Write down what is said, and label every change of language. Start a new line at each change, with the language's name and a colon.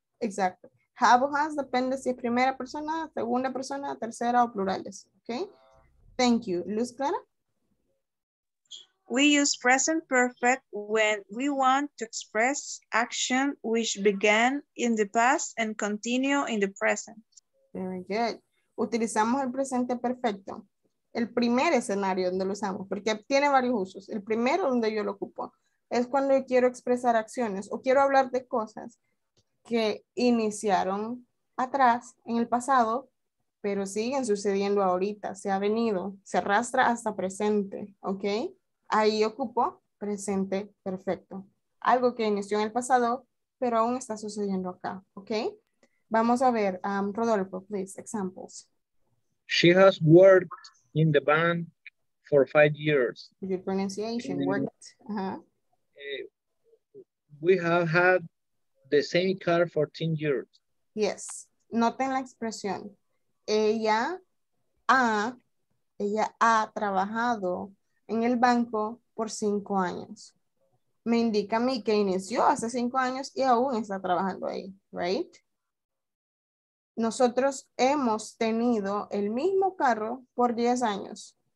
Spanish: Exacto. Have or has depende si es primera persona, segunda persona, tercera o plurales.
English: Okay. Thank you.
Spanish: Luz Clara.
English: We use present perfect when we want to express action which began in the past and continue in the present. Very good.
Spanish: Utilizamos el presente perfecto. El primer escenario donde lo usamos, porque tiene varios usos. El primero donde yo lo ocupo es cuando yo quiero expresar acciones o quiero hablar de cosas que iniciaron atrás en el pasado, pero siguen sucediendo ahorita, se ha venido, se arrastra hasta presente, ¿ok? Ahí ocupo presente perfecto. Algo que inició en el pasado, pero aún está sucediendo acá, ¿ok? Vamos a ver, Rodolfo,
English: please, examples. She has worked in the bank for 5 years. Good pronunciation, worked. We have had the same car for 10 years.
Spanish: Yes, noten la expresión. Ella ha trabajado en el banco por 5 años. Me indica a mí que inició hace 5 años y aún está trabajando ahí, right? Nosotros hemos tenido el mismo carro por 10 años.